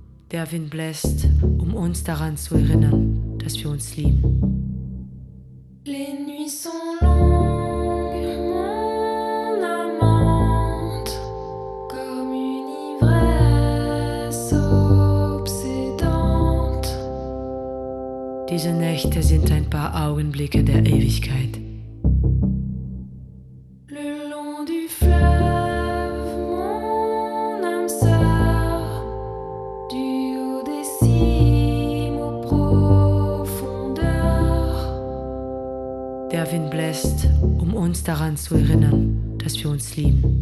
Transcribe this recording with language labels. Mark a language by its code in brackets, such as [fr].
[de] Der Wind bläst, uns daran zu erinnern, dass wir uns lieben. [fr] Les nuits sont longues, mon amante, comme une ivresse obsédante. [de] Diese Nächte sind ein paar Augenblicke der Ewigkeit. [fr] Le long du fleuve, mon âme sœur, du haut des cimes aux profondeurs. [de] Der Wind bläst, uns daran zu erinnern, dass wir uns lieben.